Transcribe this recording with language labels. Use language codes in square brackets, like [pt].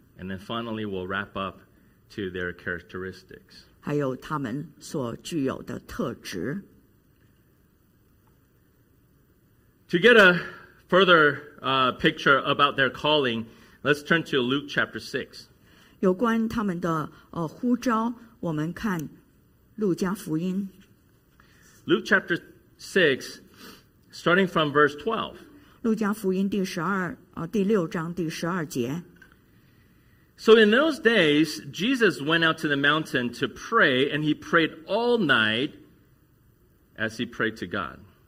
[en] and then finally we'll wrap up to their characteristics [zh] 还有他们所具有的特质 [en] to get a further picture about their calling let's turn to Luke chapter 6 [zh] 有关他们的 呼召 我们看路加福音 [en] Luke chapter 6 Starting from verse 12. [zh] 路加福音第六章第十二节。 [en] So in those days, Jesus went out to the mountain to pray, and he prayed all night as he prayed to God.